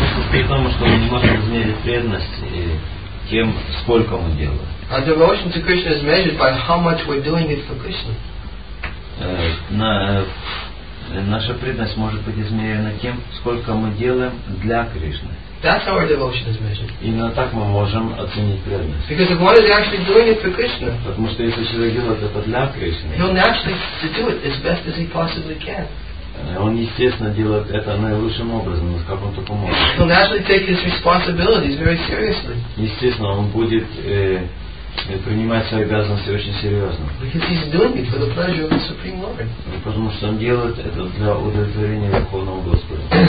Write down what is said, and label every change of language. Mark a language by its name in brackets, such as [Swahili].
[Russian] При том, что мы не можем измерить преданность тем, сколько мы делаем. [English] Our devotion to Krishna is measured by how much we're doing it for Krishna. [Russian] Наша преданность может быть измерена тем, сколько мы делаем для Кришны. [English] That's how our devotion is measured. [Russian] Именно так мы можем оценить преданность. [English] Because if one is actually doing it for Krishna, [Russian] потому что если человек делает это для Кришны, [English] he'll naturally do it as best as he possibly can. [Russian] Он естественно делает это наилучшим образом, но как он только может. [English] He'll naturally take his responsibilities very seriously. [Russian] Естественно, он будет принимать свои обязанности очень серьезно. [English] Because he's doing it for the pleasure of the Supreme Lord. [Russian] Потому что он делает это для удовлетворения Верховного Господа.